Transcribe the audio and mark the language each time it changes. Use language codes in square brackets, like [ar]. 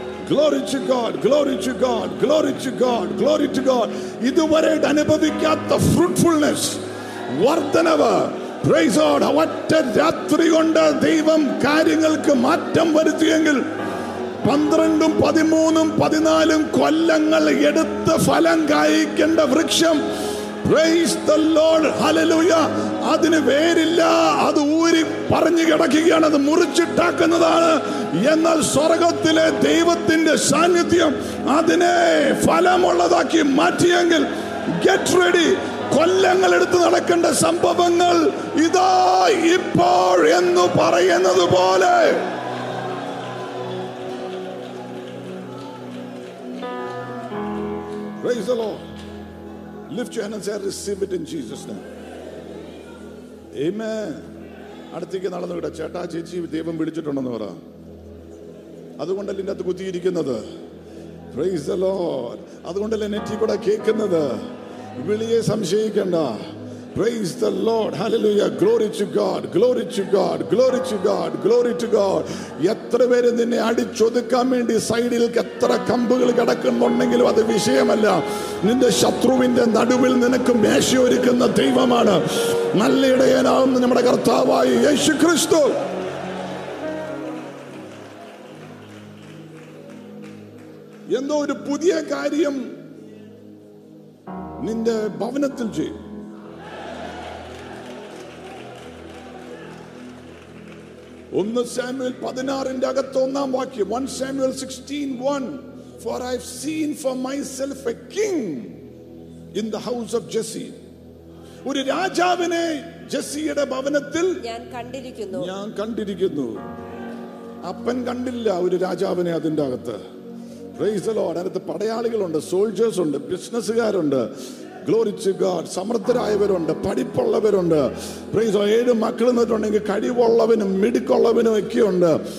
[en] Glory to God, glory to God, glory to God, glory to God. [ml] ഇതുവരെ അനുഭവിക്കാത്ത fruitfulness, വർദ്ധനവ്. [en] Praise God. [ml] ഒറ്റ രാത്രി കൊണ്ട് ദൈവം കാര്യങ്ങൾക്ക് മാറ്റം വരുത്തിയെങ്കിൽ 12, 13, 14 കൊല്ലങ്ങൾ എടുത്ത് ഫലം കായ്ക്കേണ്ട വൃക്ഷം, [en] praise the Lord, [ml] ഹല്ലേലൂയാ, അതിന് വേരില്ല, അത് ഊരി പറഞ്ഞു കിടക്കുകയാണ്, അത് മുറിച്ചിട്ടാക്കുന്നതാണ്. എന്നാൽ സ്വർഗത്തിലെ ദൈവത്തിന്റെ സാന്നിധ്യം അതിനെ ഫലമുള്ളതാക്കി മാറ്റിയെങ്കിൽ, [en] get ready, [ml] കൊല്ലങ്ങൾ എടുത്ത് നടക്കേണ്ട സംഭവങ്ങൾ ഇതാ ഇപ്പോൾ എന്ന് പറയുന്നത് പോലെ. [en] Praise the Lord. Lift your hand and say, receive it in Jesus' name. [ml] Amen. അടുത്തേക്ക് നടന്നു വിട. ചേട്ടാ ചേച്ചി ദൈവം വിളിച്ചിട്ടുണ്ടെന്ന് പറ. അതുകൊണ്ടല്ലേ എൻ്റെ അത് കുത്തിയിരിക്കുന്നത്. [en] Praise the Lord. [ml] അതുകൊണ്ടല്ലേ നെറ്റി കൂടെ കേൾക്കുന്നത്. വിളിയെ സംശയിക്കണ്ട. Praise the Lord. Hallelujah. [en] Glory to God, glory to God, glory to God, glory to God. [ml] എത്ര പേര് നിന്നെ അടിച്ചൊതുക്കാൻ വേണ്ടി സൈഡിൽ എത്ര കമ്പുകൾ കിടക്കുന്നുണ്ടെങ്കിലും അത് വിഷയമല്ല. നിന്റെ ശത്രുവിന്റെ നടുവിൽ നിനക്ക് മേശയൊരുക്കുന്ന ദൈവമാണ്. നല്ല ഇടയനാകുന്ന നമ്മുടെ കർത്താവായ യേശു ക്രിസ്തു. എന്തോ ഒരു പുതിയ കാര്യം നിന്റെ ഭവനത്തിൽ ചെയ്യും. ഒന്ന് സാമുവേൽ 16 അകത്ത് ഒന്നാം വാക്യം, [en] 1 Samuel 16:1, for I have seen for myself a king in the house of Jesse. [ml] ഒരു രാജാവിനെ ജെസ്സിയുടെ ഭവനത്തിൽ ഞാൻ കണ്ടിരിക്കുന്നു. അപ്പൻ കണ്ടില്ല ഒരു രാജാവിനെ അതിന്റെ അകത്ത്. [en] Praise the Lord. [ml] അതിനകത്ത് പടയാളികളുണ്ട്, സോൾജേഴ്സ് ഉണ്ട്, ബിസിനസ്സുകാരുണ്ട്. [en] Glory to God. [ml] സമൃദ്ധരായവരുണ്ട്, പഠിപ്പുള്ളവരുണ്ട്. [en] Praise the Lord. [ml] 7 മക്കൾ നിന്നിട്ടുണ്ടെങ്കിൽ കഴിവുള്ളവനും മിടുക്കുള്ളവനും ഒക്കെ ഉണ്ട്.